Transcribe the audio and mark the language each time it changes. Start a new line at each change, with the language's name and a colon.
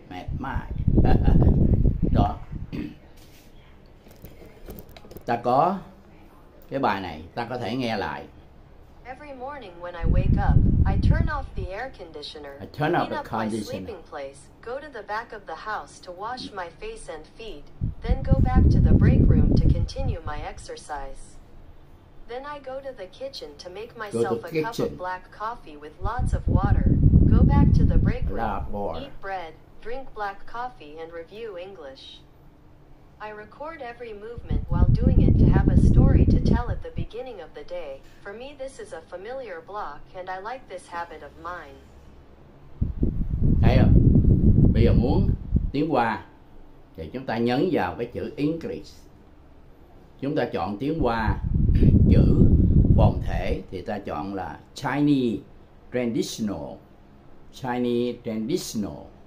English: I like this habit of mine. Đó.
Vietnamese: Ta có cái bài này, ta có thể nghe lại.
English: Every morning when I wake up, I turn off the air conditioner. I turn off the conditioner. Clean up my sleeping place, go to the back of the house to wash my face and feet, then go back to the break room to continue my exercise. Then I go to the kitchen to make myself a cup of black coffee with lots of water, go back to the break room, eat bread, drink black coffee and review English. I record every movement while doing it to have a story to tell at the beginning of the day. For me, this is a familiar block and I like this habit of mine.
Vietnamese: Thấy không? Bây giờ muốn tiến qua thì chúng ta nhấn vào cái chữ English. Chúng ta chọn tiến qua chữ vòng thể thì ta chọn là Chinese Traditional.